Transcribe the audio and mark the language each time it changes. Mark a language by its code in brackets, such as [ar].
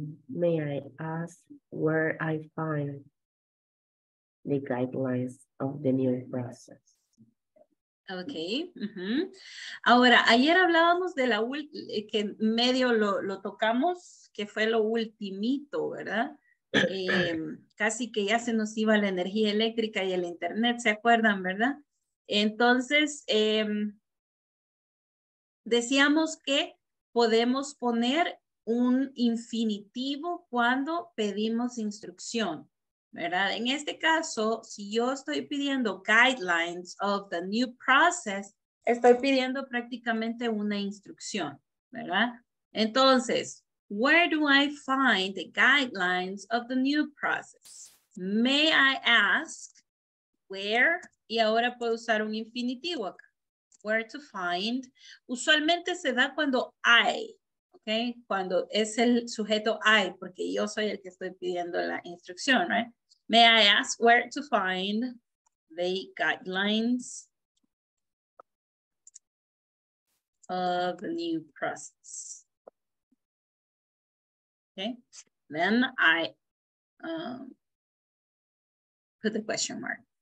[en] May I ask where I find the guidelines of the new process? Okay. Mm-hmm. [es] Ahora, ayer hablábamos de la que medio lo tocamos, que fue lo ultimito, ¿verdad? casi que ya se nos iba la energía eléctrica y el internet, ¿se acuerdan, verdad? Entonces, decíamos que podemos poner un infinitivo cuando pedimos instrucción, ¿verdad? En este caso, si yo estoy pidiendo [en] guidelines of the new process, [es] estoy pidiendo prácticamente una instrucción, ¿verdad? [en] Entonces, where do I find the guidelines of the new process? May I ask where? [es] Y ahora puedo usar un infinitivo acá. [en] Where to find? [es] Usualmente se da cuando I. Okay, cuando es el sujeto I, porque yo soy el que estoy pidiendo la instrucción, right? [en] May I ask where to find the guidelines of the new process? Okay, then I put the question mark.